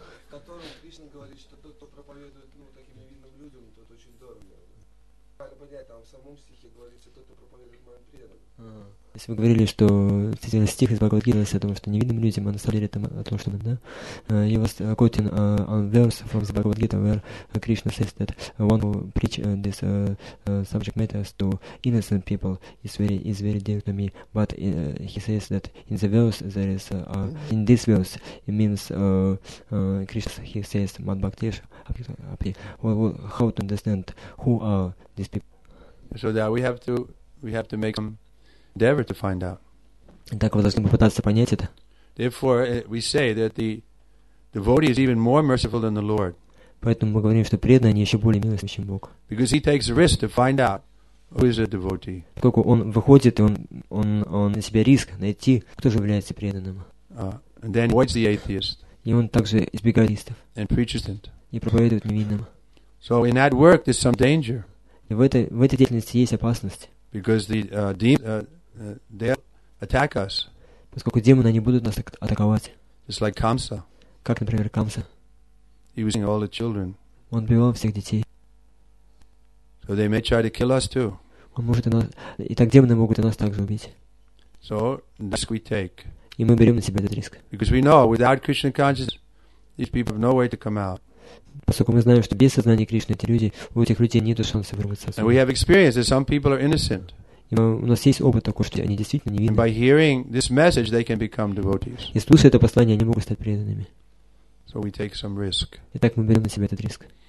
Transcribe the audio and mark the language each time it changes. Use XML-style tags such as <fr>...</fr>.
<ru>Который Кришна говорит, что тот, кто проповедует таким невинным людям, тот очень дорого. Там в самом стихе говорится, тот, кто проповедует моим преданным. Если вы говорили, что стих из Бхагавад-гиты говорится о том, что невинным людям, а на самом деле это о том, что, да?</ru> <en>He was quoting on verse from the Bhagavad-gita where Krishna says that one who preach this subject matters to innocent people is very dear to me. But he says that in the verse there is in this verse it means Krishna, he says</en> <sa>Mad Bhaktesh Api.</sa> <en>Well, how to understand who are these people? So that we have to make some endeavor to find out.</en> <ru>Так вы должны попытаться понять это.</ru> <en>Therefore, we say that the devotee is even more merciful than the Lord.</en> <ru>Поэтому мы говорим, что преданный еще более милостив, чем Бог.</ru> <en>Because he takes a risk to find out who is a devotee.</en> <ru>Поскольку он выходит и он на себя риск найти, кто же является преданным.</ru> <en>And then avoids the atheist.</en> <ru>И он также избегает атеистов.</ru> <en>And preaches it.</en> <ru>И проповедует невинным.</ru> <en>So in that work there's some danger.</en> <ru>И в этой деятельности есть опасность.</ru> <en>Because the they attack us.</en> <ru>Поскольку демоны они будут нас атаковать.</ru> <en>It's like Kamsa.</en> <ru>Как, например, Камса.</ru> <en>Using all the children.</en> <ru>Он убивал всех детей.</ru> <en>So they may try to kill us too.</en> <ru>Он может и нас, и так демоны могут и нас также убить.</ru> <en>So risk we take.</en> <ru>И мы берем на себя этот риск.</ru> <en>Because we know without Krishna consciousness, these people have no way to come out.</en> <ru>Поскольку мы знаем, что без сознания Кришны эти люди, у этих людей нет шансов вырваться отсюда. У нас есть опыт такой, что они действительно невинны. И слушая это послание, они могут стать преданными. Итак, мы берем на себя этот риск.</ru>